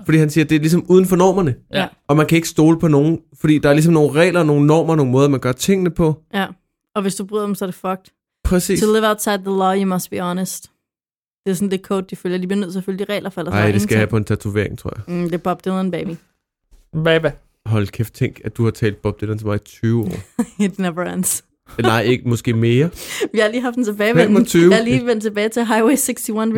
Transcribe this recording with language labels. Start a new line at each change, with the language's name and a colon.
Danish: Fordi han siger, at det er ligesom uden for normerne, og man kan ikke stole på nogen, fordi der er ligesom nogle regler, nogle normer, nogle måder, man gør tingene på. Ja, og hvis du bryder dem, så er det fucked. Præcis.
English: To live outside the law, you must be honest.
Danish: Det er sådan det code, de følger. De bliver nødt til at følge de regler, for ellers nej, det skal jeg have på en tatovering, tror jeg. Mm, det er Bob Dylan, baby. Baby. Hold kæft, tænk, at du har talt Bob Dylan til mig i 20 år.
English: It never ends.
Danish: Nej, ikke måske mere. Vi har lige haft en tilbage. Jeg har lige vendt tilbage til Highway 61 Revisited.